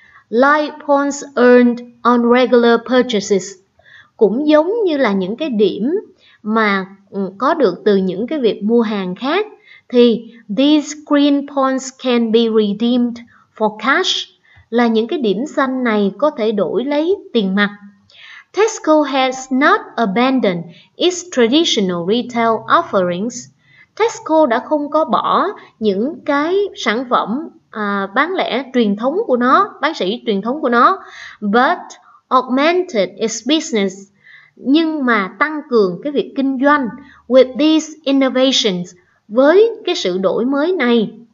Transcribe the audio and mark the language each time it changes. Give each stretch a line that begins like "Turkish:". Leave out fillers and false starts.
English: Light points earned on regular purchases,
Vietnamese: cũng giống như là những cái điểm mà có được từ những cái việc mua hàng khác, thì
English: these green points can be redeemed for cash,
Vietnamese: là những cái điểm xanh này có thể đổi lấy tiền mặt.
English: Tesco has not abandoned its traditional retail offerings.
Vietnamese: Tesco đã không có bỏ những cái sản phẩm bán lẻ truyền thống của nó, bán sỉ truyền thống của nó,
English: but augmented its business,
Vietnamese: nhưng mà tăng cường cái việc kinh doanh
English: with these innovations,
Vietnamese: với cái sự đổi mới này,